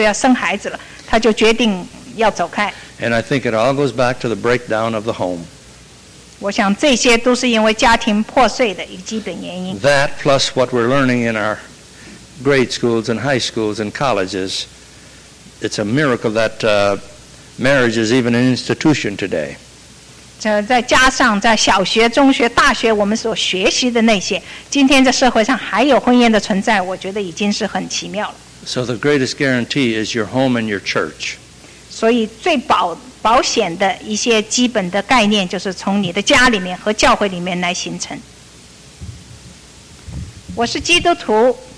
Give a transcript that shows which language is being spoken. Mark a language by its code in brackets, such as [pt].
[zh] 最近我们处理一对夫妇，那个先生要离开他的太太，他太太还有一两个礼拜就要生孩子了，他就决定要走开。 [en] And I think it all goes back to the breakdown of the home. [zh] 我想这些都是因为家庭破碎的一个基本原因。 [en] That plus what we're learning in our grade schools and high schools and colleges, it's a miracle that marriage is even an institution today. [zh] 再加上在小学、中学、大学我们所学习的那些，今天在社会上还有婚姻的存在，我觉得已经是很奇妙了。 [en] So the greatest guarantee is your home and your church. [zh] 所以最保险的一些基本的概念就是从你的家里面和教会里面来形成。我是基督徒。